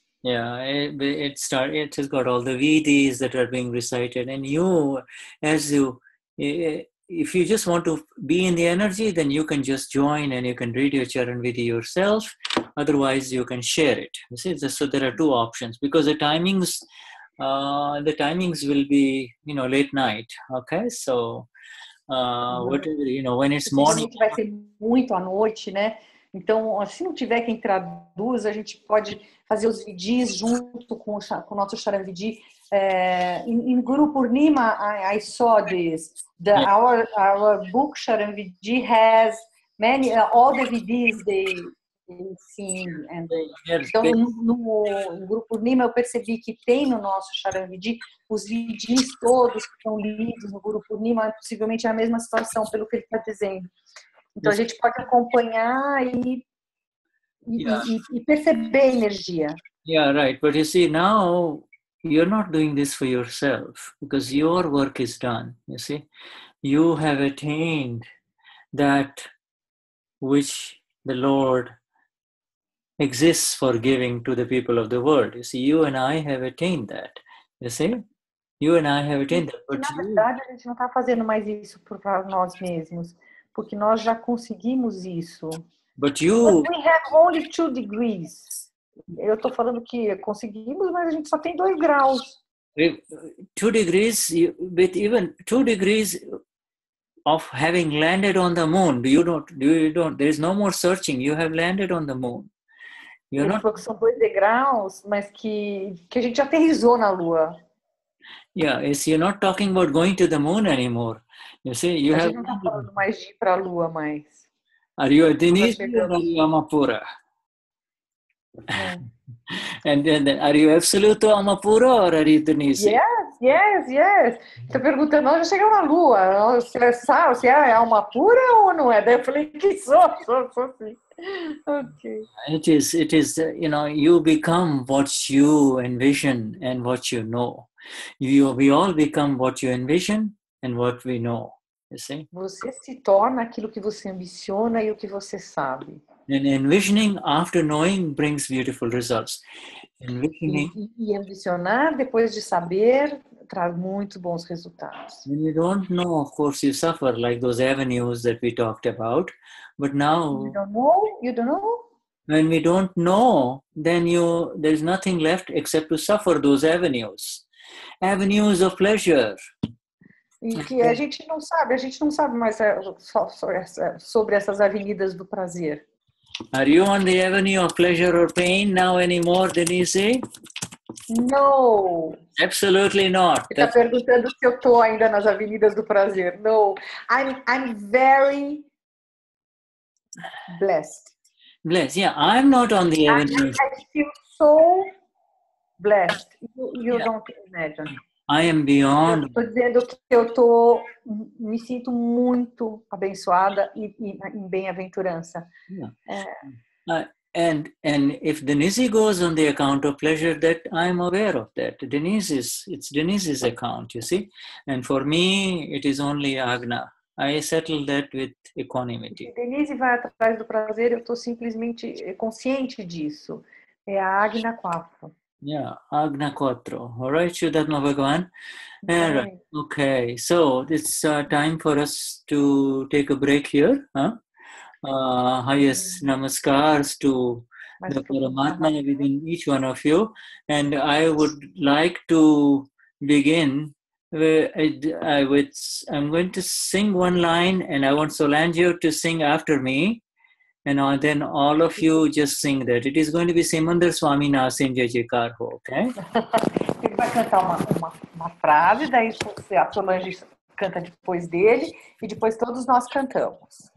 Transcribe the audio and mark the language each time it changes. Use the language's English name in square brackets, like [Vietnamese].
[English] Yeah, it has got all the Vedas that are being recited, and you, as you, if you just want to be in the energy, then you can just join and you can read your Charanvidhi yourself. Otherwise, you can share it. You see, so there are two options because the timings The timings will be, you know, late night, okay? So, whatever, you know, when it's morning... [Portuguese] A gente vai ser muito à noite, né? Então, se não tiver quem traduz, a gente pode fazer os vidis junto com o nosso charavidi. [English] In Guru Purnima, I saw this. Our book, Charanvidi, has many, all the vidis they sing. [Portuguese] And então, no Guru Purnima, eu percebi que tem no nosso Charanvidi os vidis todos que estão lidos no Guru Purnima, possivelmente é a mesma situação, pelo que ele está dizendo. Então, a gente pode acompanhar e perceber a energia. [English] Yeah, right. But you see, now you're not doing this for yourself because your work is done, you see. You have attained that which the Lord exists for giving to the people of the world. You see, you and I have attained that, you see. You and I have attained that. But [Portuguese] na verdade, a gente não está fazendo mais isso para nós mesmos. Porque nós já conseguimos isso. [English] But we have only 2 degrees. [Portuguese] Eu estou falando que conseguimos, mas a gente só tem 2 graus. [English] 2 degrees, but even 2 degrees of having landed on the moon, you don't, there is no more searching, you have landed on the moon. You're not... [Portuguese] Falou que são 2 degraus, mas que a gente já aterrissou na Lua. [English] Yeah, it's, you're not talking about going to the moon anymore. You see, you have. [Portuguese] Não está falando mais de ir para a Lua mais. [English] Are you a Denise or are you Amapura? And then, are you absolute Amapura or are you Denise? [Portuguese] Yes. Estou perguntando, nós já chegamos na Lua. Você é Amapura ou não é? Daí eu falei que sou sim. Okay. [English] It is, you know, you become what you envision and what you know. We all become what you envision and what we know, you see? [Portuguese] Você se torna aquilo que você ambiciona e o que você sabe. [English] And envisioning after knowing brings beautiful results. Envisioning, [Portuguese] e ambicionar depois de saber traz muito bons resultados. [English] When you don't know, of course, you suffer like those avenues that we talked about. But now, you don't know? When we don't know, then there's nothing left except to suffer those avenues. Avenues of pleasure. [Portuguese] E que a gente não sabe mais sobre essas avenidas do prazer. [English] Are you on the avenue of pleasure or pain now anymore, Denise? No. Absolutely not. [Portuguese] Você está perguntando se eu estou ainda nas avenidas do prazer. [English] No. I'm very blessed. Blessed, yeah. I'm not on the avenue. I feel so blessed. You don't imagine. I am beyond. [Portuguese] Estou dizendo que eu estou, me sinto muito abençoada e em bem-aventurança. [English] Yeah. And if Denise goes on the account of pleasure, that I am aware of that. It's Denise's account, you see. And for me, it is only Agna. I settle that with equanimity. [Portuguese] Se Denise vai atrás do prazer, eu estou simplesmente consciente disso. É a Agna 4. [English] Yeah, Agna Quattro. All right, Shudatma Bhagavan. All right. Okay, so it's time for us to take a break here. Huh? Highest namaskars to the Paramatma within each one of you. And I would like to begin I'm going to sing one line and I want Solange to sing after me. And then all of you just sing that. It is going to be Simandar Swami Nasim Jai Jaikar Ho, okay? [Portuguese] Ele vai cantar uma frase, daí a Solange canta depois dele, e depois todos nós cantamos.